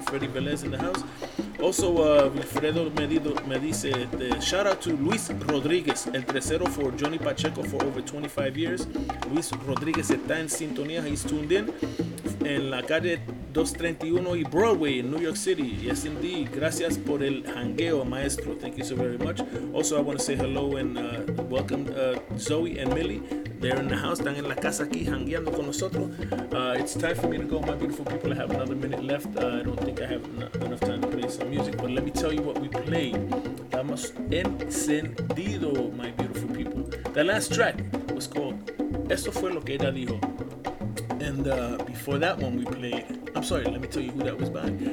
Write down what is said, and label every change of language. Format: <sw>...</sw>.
<en>Freddy Velez in the house. Also, Wilfredo</en> <es>me dice,</es> <en>shout out to Luis Rodriguez,</en> <es>el tercero</es> <en>for Johnny Pacheco for over 25 years.</en> <es>Luis Rodriguez está en sintonía.</es> <en>He's tuned in.</en> <es>En la calle 231 y Broadway in New York City.</es> <en>Yes, indeed.</en> <es>Gracias por el jangueo, maestro.</es> <en>Thank you so very much. Also, I want to say hello and welcome Zoe and Millie. They're in the house.</en> <es>Están en la casa aquí jangueando con nosotros.</es> <en>It's time for me to go, my beautiful people. I have another minute left. I don't think I have enough time to play some music. But let me tell you what we play.</en> <es>Estamos encendido,</es> <en>my beautiful people. The last track was called Esto Fue Lo Que Ella Dijo. And before that one we played, I'm sorry, let me tell you who that was by.</en>